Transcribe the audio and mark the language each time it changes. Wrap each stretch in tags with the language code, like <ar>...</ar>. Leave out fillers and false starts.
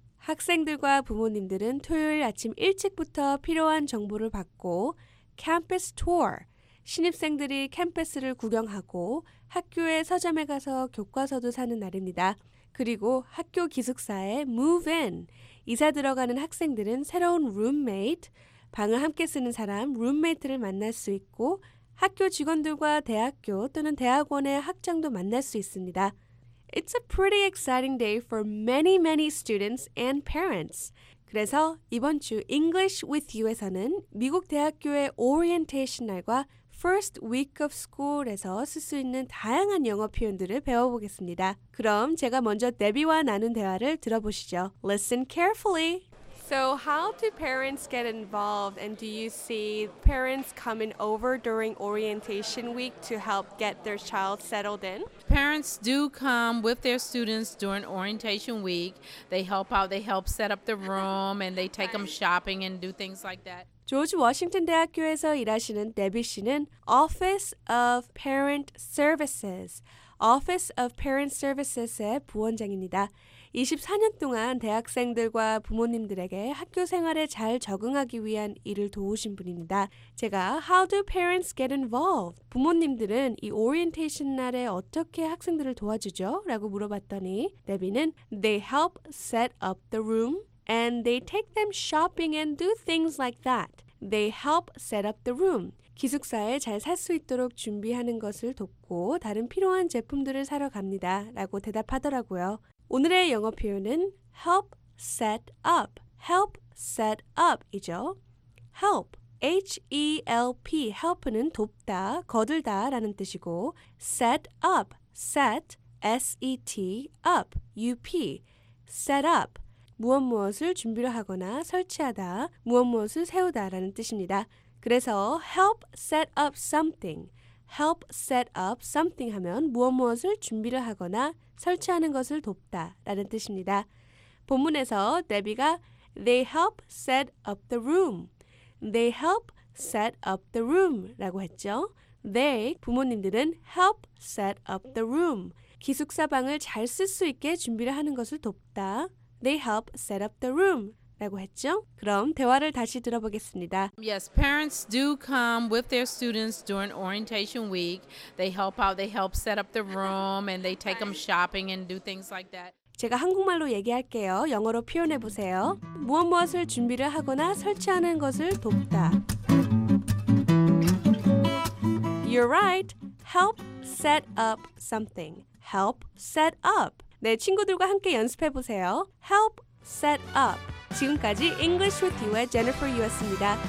<ko>학생들과 부모님들은 토요일 아침 일찍부터 필요한 정보를 받고 Campus Tour, 신입생들이 캠퍼스를 구경하고 학교의 서점에 가서 교과서도 사는 날입니다. 그리고 학교 기숙사에 Move In, 이사 들어가는 학생들은 새로운 룸메이트, 방을 함께 쓰는 사람, 룸메이트를 만날 수 있고 학교 직원들과 대학교 또는 대학원의 학장도 만날 수 있습니다.</ko> <en>It's a pretty exciting day for many, many students and parents.</en> <ko>그래서 이번 주 English with You에서는 미국 대학교의 Orientation 날과 First Week of School에서 쓸 수 있는 다양한 영어 표현들을 배워보겠습니다. 그럼 제가 먼저 데비와 나눈 대화를 들어보시죠.</ko> <en>Listen carefully. So how do parents get involved and do you see parents coming over during orientation week to help get their child settled in? Parents do come with their students during orientation week. They help out, they help set up the room and they take them shopping and do things like that.</en> <ko>조지 워싱턴 대학교에서 일하시는 데비 씨는 Office of Parent Services, Office of Parent Services의 부원장입니다. 24년 동안 대학생들과 부모님들에게 학교 생활에 잘 적응하기 위한 일을 도우신 분입니다. 제가</ko> <en>How do parents get involved?</en> <ko>부모님들은 이 오리엔테이션 날에 어떻게 학생들을 도와주죠? 라고 물어봤더니 데비는</ko> <en>They help set up the room and they take them shopping and do things like that. They help set up the room.</en> <ko>기숙사에 잘 살 수 있도록 준비하는 것을 돕고 다른 필요한 제품들을 사러 갑니다. 라고 대답하더라고요. 오늘의 영어 표현은 help set up.</ko> <en>Help set up이죠.</en> <ko>Help, H-E-L-P, help는 돕다, 거들다 라는 뜻이고 set up, set, S-E-T, up, U-P, set up, 무엇 무엇을 준비를 하거나 설치하다, 무엇 무엇을 세우다 라는 뜻입니다. 그래서</ko> <en>help set up something. Help set up something</en> <ko>하면 무엇 무엇을 준비를 하거나 설치하는 것을 돕다 라는 뜻입니다. 본문에서 데비가</ko> <en>They help set up the room. They help set up the room</en> <ko>라고 했죠.</ko> <en>They,</en> <ko>부모님들은</ko> <en>help set up the room.</en> <ko>기숙사 방을 잘 쓸 수 있게 준비를 하는 것을 돕다.</ko> <en>They help set up the room.</en> <ko>라고 했죠? 그럼 대화를 다시 들어보겠습니다.</ko> <en>Yes, parents do come with their students during orientation week. They help out, they help set up the room, and they take them shopping and do things like that.</en> <ko>제가 한국말로 얘기할게요. 영어로 표현해 보세요. 무엇 무엇을 준비를 하거나 설치하는 것을 돕다.</ko> <en>You're right. Help set up something. Help set up.</en> <ko>네, 친구들과 함께 연습해 보세요.</ko> <en>Help set up.</en> <ko>지금까지 English with You의 Jennifer You였습니다.</ko>